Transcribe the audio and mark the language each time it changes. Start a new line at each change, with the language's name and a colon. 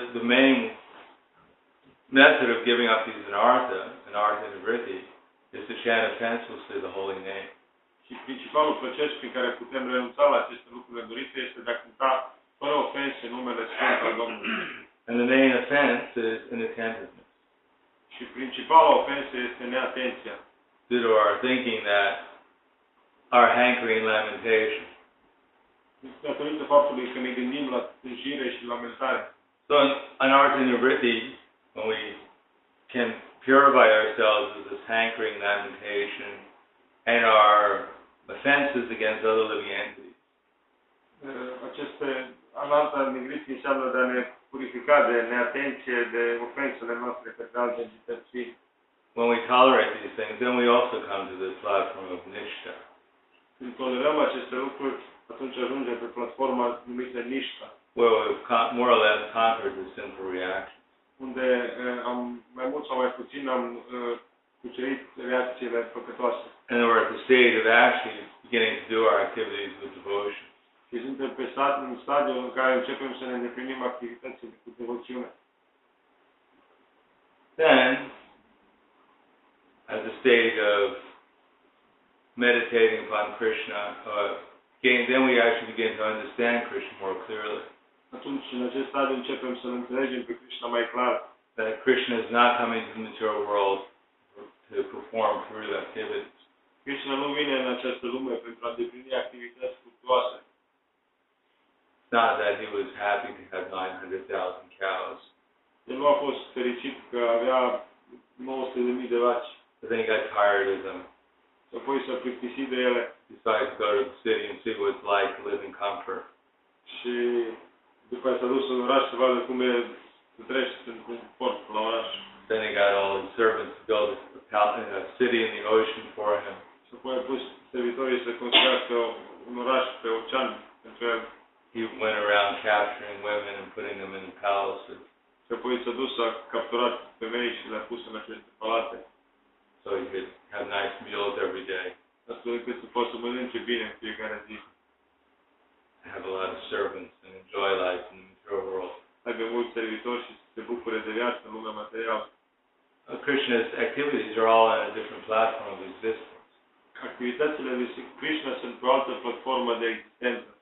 English: The main method of giving up these anartha, anartha and vritti, is to chant offensively the holy name.
Romanian: Și principalul proces prin care putem renunța la aceste lucruri nedorite este de a cânta fără ofense numele Sfânt al Domnului.
English: And the main offense is inattentiveness.
Romanian: Și principala ofensă este neatenția.
English: Due to our thinking that our hankering lamentation.
Romanian: Datorită faptului că ne gândim la tânjire și lamentare.
English: So in artha nivritti, when we can purify ourselves with this hankering lamentation and our offenses against other living entities.
Romanian: Aceste anartha nivritti înseamnă de a ne purifica de neatenție, de ofensele noastre pe alte entități.
English: When we tolerate these things, then we also come to the platform of Nishta.
Romanian: Când tolerăm aceste lucruri, atunci ajungem pe platforma numită Nishta.
English: Where we've more or less conquered the sinful reactions.
Romanian: Unde am mai mult sau mai puțin am cucerit reacțiile păcătoase.
English: And we're at the stage of actually beginning to do our activities with devotion.
Romanian: Și suntem pe stat, în stadiu în care începem să ne îndeplinim activitățile cu devoțiune.
English: Then, at the stage of meditating upon Krishna, then we actually begin to understand Krishna more clearly.
Romanian: Atunci, în acest stadiu, începem să ne înțelegem pe Krishna mai clar.
English: That Krishna is not coming to the material world to perform material activities.
Romanian: Krishna nu vine în această lume pentru a îndeplini activități fructuoase.
English: Not that he was happy to have 900,000 cows.
Romanian: El nu a fost fericit că avea 900,000 de vaci.
English: But then he got tired of them.
Romanian: Și apoi s-a plictisit de ele.
English: Decided to go to the city and see what it's like to live in comfort.
Romanian: Și după s-a dus în oraș să vadă cum e să trece în confort la oraș.
English: Then he got all his servants to build a city in the ocean for him.
Romanian: Și apoi a pus servitorii să construiască un oraș pe ocean pentru el.
English: He went around capturing women and putting them in the palaces.
Romanian: Și apoi s-a dus, a capturat femei și le-a pus în aceste palate.
English: So he could have nice meals every day.
Romanian: Astfel încât să poată să mănânce bine în fiecare zi.
English: Have a lot of servants and enjoy life in the material world.
Romanian: Avea mulți servitori și se bucure de viață în lumea materială.
English: Krishna's activities are all on a different platform of existence.
Romanian: Activitățile lui Krishna sunt pe o altă platformă de existență.